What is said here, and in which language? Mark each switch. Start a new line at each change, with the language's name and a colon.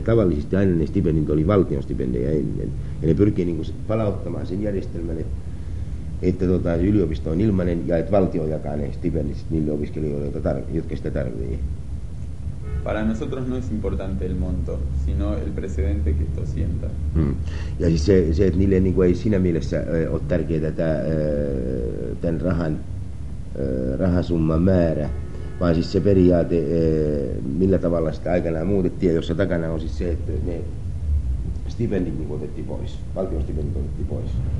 Finnish: Ja tavallisesti aina ne stipendit oli valtion stipendejä ennen. Ja ne pyrkii palauttamaan sen järjestelmän, että yliopisto on ilmainen ja että valtio jakaa ne stipendit niille opiskelijoille, jotka sitä tarvitsee.
Spanish: Para nosotros no es importante el monto, sino el precedente que esto sienta.
Finnish: Ja siis se että niille ei siinä mielessä ole tärkeää tämän rahasumman määrä, vaan siis se periaate, millä tavalla sitä aikanaan muutettiin, jossa takana on siis se, että ne stipendit otettiin pois, valtion stipendit otettiin pois.